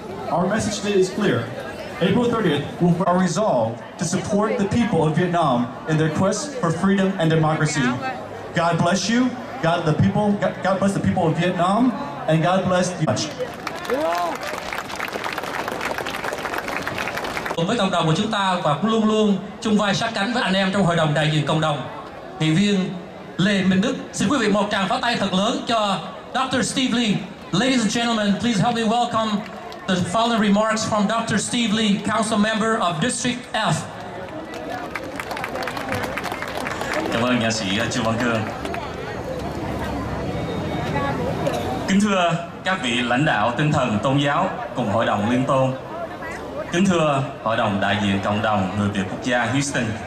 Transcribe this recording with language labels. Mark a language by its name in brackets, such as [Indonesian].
[English] Our message today is clear. April 30th will be our resolve to support the people of Vietnam in their quest for freedom and democracy. God bless you. God the people. God bless the people of Vietnam, and God bless you. [Vietnamese] Cùng với cộng đồng của chúng ta và luôn luôn chung vai sát cánh với anh em trong hội đồng đại diện cộng đồng. Nghị viên Lê Minh Đức, xin quý vị một tràng pháo tay thật lớn cho Dr. Steve Lee. [English] Ladies and gentlemen, please help me welcome the following remarks from Dr. Steve Lee, Council Member of District F. [Vietnamese] Cảm ơn nhà sĩ Trương Văn Cương. Kính thưa các vị lãnh đạo tinh thần tôn giáo cùng Hội đồng Liên Tôn. Kính thưa Hội đồng đại diện cộng đồng người Việt quốc gia Houston.